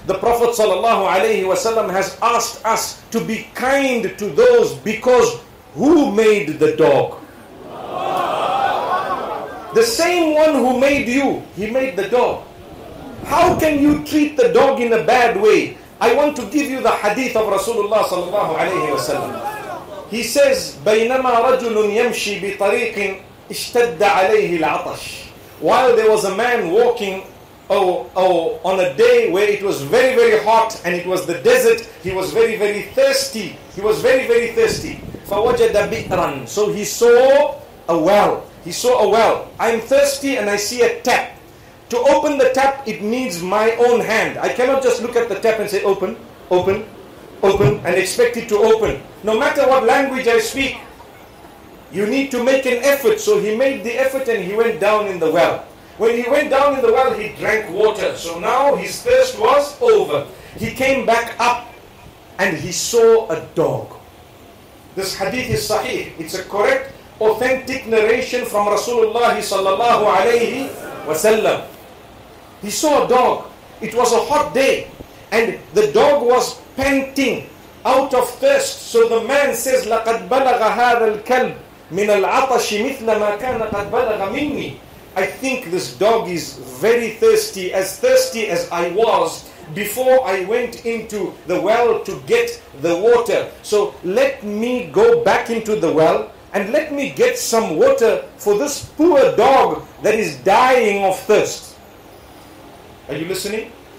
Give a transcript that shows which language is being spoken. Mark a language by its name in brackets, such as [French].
[English] The Prophet sallallahu alayhi wasallam has asked us to be kind to those, because who made the dog? The same one who made you, he made the dog. How can you treat the dog in a bad way? I want to give you the hadith of Rasulullah sallallahu alayhi wasallam. He says, [Arabic] بَيْنَمَا رَجُلٌ يَمْشِي بِطَرِيقٍ اشْتَدَّ عَلَيْهِ الْعَطَشِ. [English] While there was a man walking on a day where it was very, very hot and it was the desert, he was very, very thirsty. He was very, very thirsty. [Arabic] فَوَجَدَ بِئْرًا. [English] So he saw a well. He saw a well. I'm thirsty and I see a tap. To open the tap, it needs my own hand. I cannot just look at the tap and say, open, open, open, and expect it to open. No matter what language I speak, you need to make an effort. So he made the effort and he went down in the well. When he went down in the well, he drank water. So now his thirst was over. He came back up and he saw a dog. This hadith is sahih. It's a correct, authentic narration from Rasulullah sallallahu alayhi wasallam. He saw a dog. It was a hot day and the dog was panting out of thirst. So the man says, [Arabic] لَقَدْ بَلَغَ هَذَا الْكَلْبِ مِنَ الْعَطَشِ مِثْلَ مَا كَانَ قَدْ بَلَغَ مِنِّي. [English] I think this dog is very thirsty as I was before I went into the well to get the water. So let me go back into the well and let me get some water for this poor dog that is dying of thirst. Are you listening?